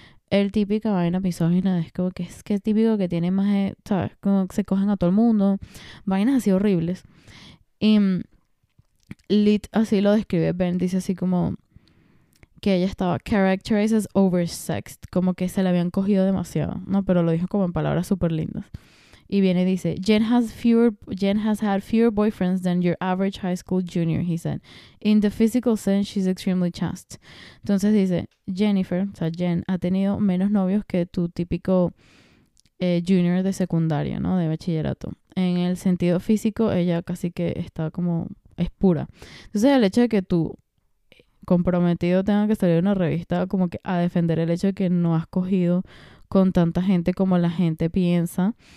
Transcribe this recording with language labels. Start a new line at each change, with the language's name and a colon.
Spanish: El típico vaina misógina, es como que es que es típico que tiene más, ¿sabes?, como que se cogen a todo el mundo, vainas así horribles. Y Lit así lo describe, Ben dice así como... que ella estaba
English: characterized as oversexed,
Spanish: como que se la habían cogido demasiado, ¿no? Pero lo dijo como en palabras súper lindas. Y viene y dice,
English: Jen has had fewer boyfriends than your average high school junior, he said. In the physical sense, she's extremely chaste.
Spanish: Entonces dice, Jennifer, o sea, Jen, ha tenido menos novios que tu típico junior de secundaria, ¿no? De bachillerato. En el sentido físico, ella casi que está como, es pura. Entonces el hecho de que tú... comprometido tenga que salir una revista como que a defender el hecho de que no has cogido con tanta gente como la gente piensa.